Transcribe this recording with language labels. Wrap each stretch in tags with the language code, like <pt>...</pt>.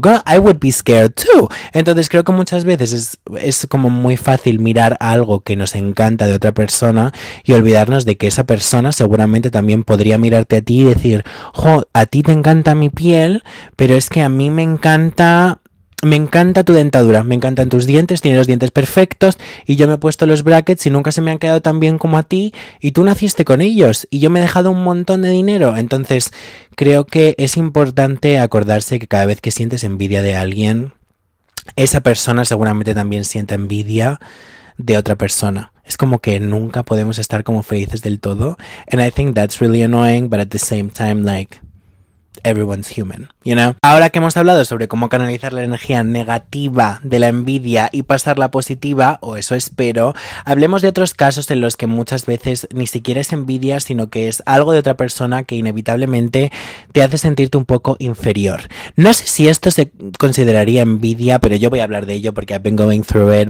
<en>Girl, I would be scared too.</en> <es>Entonces creo que muchas veces es como muy fácil mirar algo que nos encanta de otra persona y olvidarnos de que esa persona seguramente también podría mirarte a ti y decir, jo, a ti te encanta mi piel, pero es que a mí me encanta tu dentadura, me encantan tus dientes, tienes los dientes perfectos y yo me he puesto los brackets y nunca se me han quedado tan bien como a ti y tú naciste con ellos y yo me he dejado un montón de dinero. Entonces, creo que es importante acordarse que cada vez que sientes envidia de alguien, esa persona seguramente también sienta envidia de otra persona. Es como que nunca podemos estar como felices del todo.</es> <en>And I think that's really annoying, but at the same time, like, everyone's human, you know?</en> <es>Ahora que hemos hablado sobre cómo canalizar la energía negativa de la envidia y pasarla positiva, o eso espero, hablemos de otros casos en los que muchas veces ni siquiera es envidia, sino que es algo de otra persona que inevitablemente te hace sentirte un poco inferior. No sé si esto se consideraría envidia, pero yo voy a hablar de ello porque</es> <en>I've been going through it.</en>